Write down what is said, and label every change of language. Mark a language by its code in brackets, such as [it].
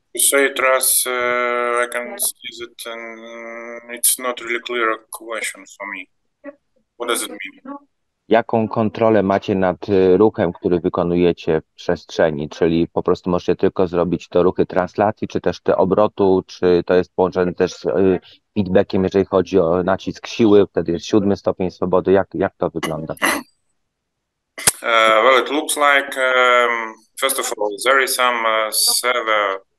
[en] Say it as I can see it and it's not really clear question for me. What does it mean? [pl] Jaką kontrolę macie nad ruchem, który wykonujecie w przestrzeni? Czyli po prostu możecie tylko zrobić to ruchy translacji, czy też te obrotu, czy to jest połączone też z feedbackiem, jeżeli chodzi o nacisk siły, wtedy jest 7 stopień swobody. Jak to wygląda? [en] Well, it looks like first of all, there is some server